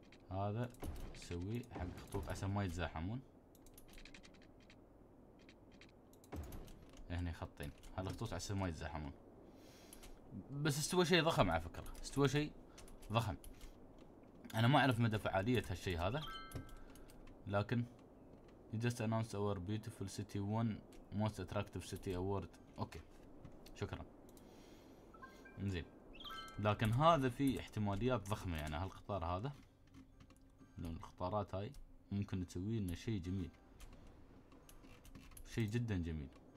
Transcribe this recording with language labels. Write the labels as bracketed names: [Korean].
[Arabic] هذا سوي حق خطوط عشان ما يتزاحمون. هني خطين، هذا خطوط عشان ما يتزاحمون. بس استوى شيء ضخم على فكرة، استوى شيء ضخم. انا ما اعرف مدى فعالية هالشيء هذا، لكن [English] You just announced our beautiful city won most attractive city award. [Arabic] اوكي شكرا. انزين لكن هذا في احتماليات ضخمة، يعني هالقطار هذا لون القطارات هاي ممكن تسوي لنا شيء جميل، شيء جدا جميل.